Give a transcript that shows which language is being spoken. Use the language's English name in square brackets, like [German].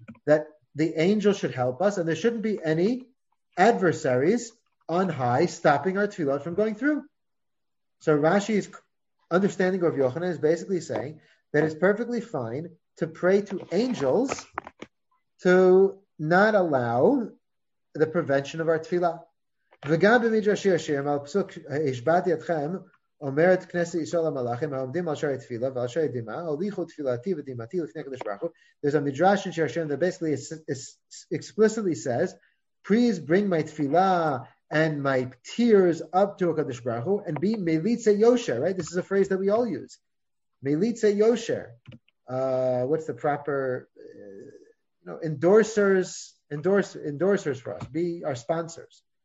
[English] That the angel should help us, and there shouldn't be any adversaries on high stopping our tefillot from going through. So Rashi's understanding of Yochanan is basically saying that it's perfectly fine to pray to angels to not allow the prevention of our tefillah. [Hebrew] וגם במדרש ישירם על פסוק השבעתי אתכם אומרת כנסת ישראל המלאכים העומדים על שערי תפילה ועל שערי דימה הוליכו תפילתי ודימתי לפני הקדוש ברוך הוא. [English] There's a midrash in Shir Hashirim that basically explicitly says, please bring my tefillah and my tears up to HaKadosh Baruch Hu and be melitze yosher, right? This is a phrase that we all use. Melitze yosher. What's the proper endorsers for us. Be our sponsors.